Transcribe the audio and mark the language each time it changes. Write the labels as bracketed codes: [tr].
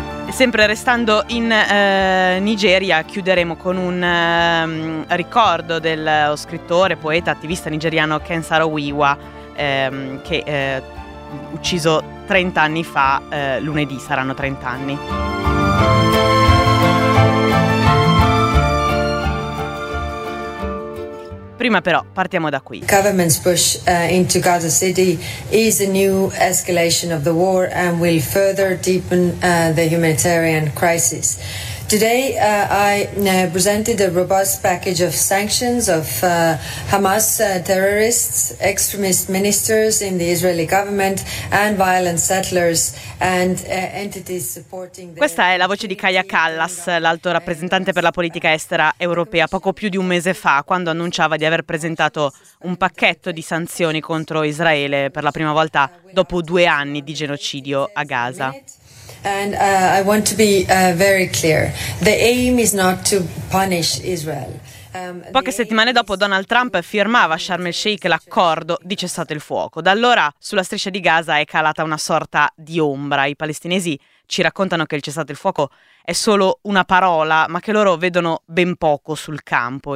[it] Sempre restando in Nigeria, chiuderemo con un ricordo del scrittore, poeta, attivista nigeriano Ken Saro-Wiwa, che ucciso 30 anni fa, lunedì saranno 30 anni. Prima però partiamo da qui. [en] Government's push into Gaza City is a new escalation of the war and will further deepen the humanitarian crisis. Today I presented a robust package of sanctions of Hamas terrorists, extremist ministers in the Israeli government and violent settlers and entities supporting the... [it] Questa è la voce di Kaya Kallas, l'alto rappresentante per la politica estera europea, poco più di un mese fa, quando annunciava di aver presentato un pacchetto di sanzioni contro Israele per la prima volta dopo 2 anni di genocidio a Gaza. [en] And I want to be very clear. The aim is not to punish Israel. [it] Poche settimane dopo Donald Trump firmava a Sharm el-Sheikh l'accordo di cessate il fuoco. Da allora sulla striscia di Gaza è calata una sorta di ombra. I palestinesi ci raccontano che il cessate il fuoco è solo una parola, ma che loro vedono ben poco sul campo.